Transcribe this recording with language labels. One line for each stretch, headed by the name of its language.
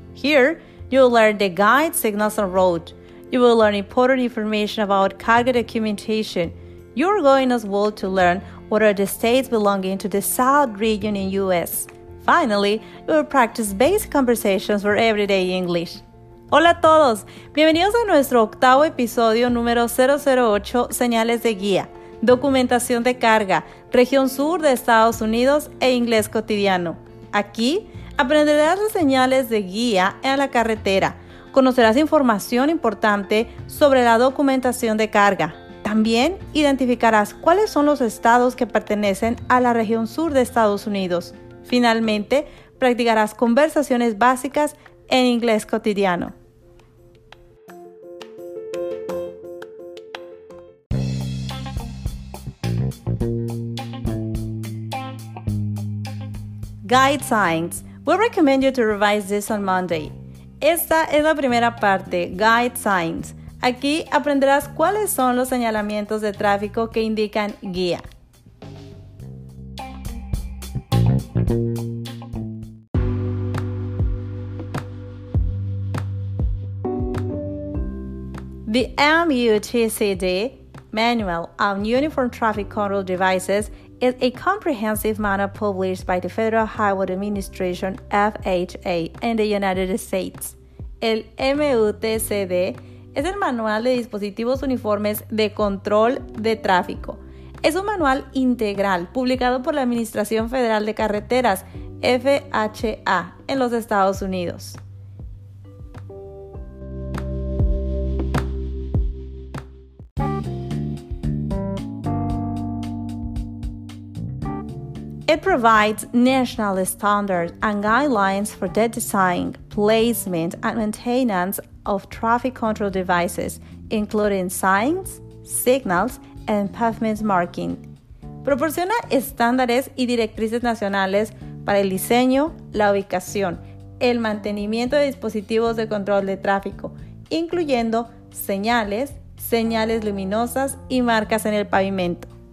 English: Here, you will learn the guide signals on road. You will learn important information about cargo documentation. You are going as well to learn what are the states belonging to the South Region in US. Finally, you will practice basic conversations for Everyday English.
Spanish: Hola a todos, bienvenidos a nuestro octavo episodio número 008, Señales de Guía, Documentación de Carga, Región Sur de Estados Unidos e Inglés Cotidiano. Aquí aprenderás las señales de guía en la carretera, conocerás información importante sobre la documentación de carga. También identificarás cuáles son los estados que pertenecen a la Región Sur de Estados Unidos. Finalmente, practicarás conversaciones básicas en inglés cotidiano.
English: Guide Signs. We recommend you to revise this on Monday.
Spanish: Esta es la primera parte, Guide Signs. Aquí aprenderás cuáles son los señalamientos de tráfico que indican guía.
English: The MUTCD, Manual on Uniform Traffic Control Devices, is a comprehensive manual published by the Federal Highway Administration, FHA, in the United States.
Spanish: El MUTCD es el Manual de Dispositivos Uniformes de Control de Tráfico. Es un manual integral publicado por la Administración Federal de Carreteras, FHA, en los Estados Unidos.
English: It provides national standards and guidelines for the design, placement, and maintenance of traffic control devices, including signs, signals, and pavement marking.
Spanish: Proporciona estándares y directrices nacionales para el diseño, la ubicación, el mantenimiento de dispositivos de control de tráfico, incluyendo señales, señales luminosas y marcas en el pavimento.